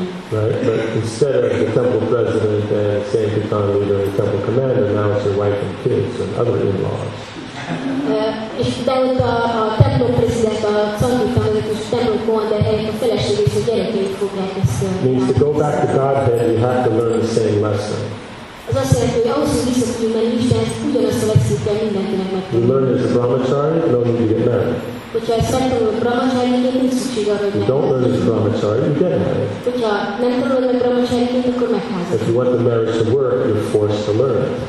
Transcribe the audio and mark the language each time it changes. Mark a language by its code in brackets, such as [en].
[en] Right, but instead of the temple president and sankirtan leader and temple commander, now it's your wife and kids and other in-laws. [hu] És de ott a templom president, a szankirtan és templom kommander helyett a feleség és a gyerekeit fogják ezt. [en] Means to go back to Godhead, you have to learn the same lesson. [hu] Az azt jelenti, hogy ahhoz, hogy visszatudjunk menni Istenhez, ugyanazt a lekciót kell mindenkinek megtanulni. [en] You learn as a brahmachari, no need to get married. [hu] Hogyha ezt megtanulod brahmachari, akkor nincs szükség arra, hogy [en] don't learn as a brahmachari, you get married. [hu] Hogyha nem tanulod meg brahmachari, akkor megházad. [en] If you want the marriage to work, you're forced to learn.